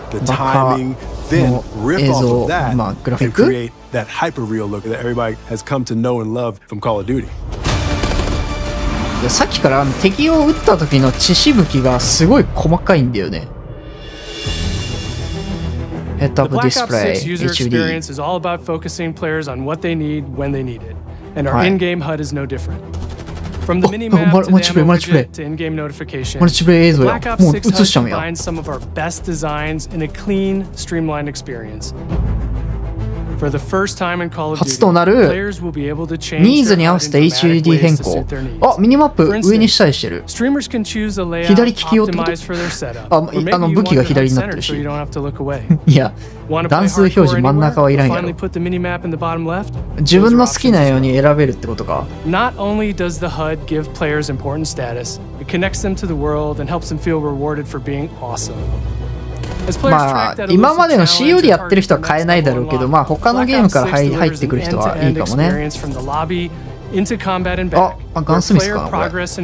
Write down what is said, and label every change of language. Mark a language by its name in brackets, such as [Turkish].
[Japanese] 破の映像、まあ、グラフィック、 [English] That hyper-real look that everybody has come to know and love from Call of Duty. [Japanese] さっきから敵を撃った時の血しぶきがすごい細かいんだよね。 [English] ヘッドアップディスプレイ、HUD。The Black Ops 6 user experience is all about focusing players on what they need when they need it, and our in-game HUD is no different. From the mini-map to the ammo widget to in-game notification, the Black Ops 6 HUD combines some of our best designs in a clean, streamlined experience. For the first time in Call of Duty, players will be able to change their HUD in dramatic ways to suit their needs. For instance, streamers can choose a layout optimized for their setup, or maybe you want the HUD center so you don't have to look away. Want to play hardcore anywhere? We'll finally put the mini-map in the bottom left. Not only does the HUD give players important status, it connects them to the world and helps them feel rewarded for being awesome. [Japanese] まあ今までの COD やってる人は買えないだろうけど、まあ他のゲームから入ってくる人はいいかもね。あ、ガンスミスかなこれ。